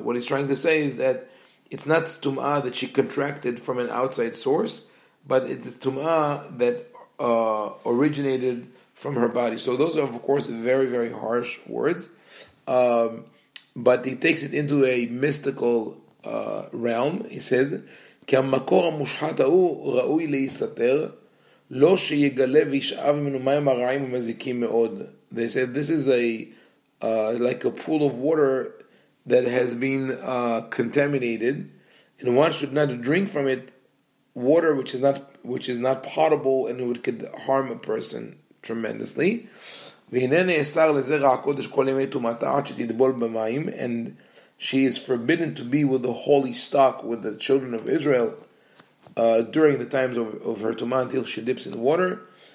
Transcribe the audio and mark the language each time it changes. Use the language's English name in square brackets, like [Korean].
[English] What he's trying to say is that it's not Tum'ah that she contracted from an outside source, but it's Tum'ah that originated from her body. So those are, of course, very, very harsh words. But he takes it into a mystical realm. He says, [Hebrew] כמקור המושחת ההוא ראוי להיסתר, לא שיגלה וישאב ממנו מים הרעים ומזיקים מאוד. [English] They said, this is a like a pool of water that has been contaminated, and one should not drink from it water which is not potable and which could harm a person tremendously. [Hebrew] והנה נאסר לזרע הקודש כל ימי תומתה עד שתדבול במים, [English] and she is forbidden to be with the holy stock, with the children of Israel, during the times of her tumah until she dips in the water.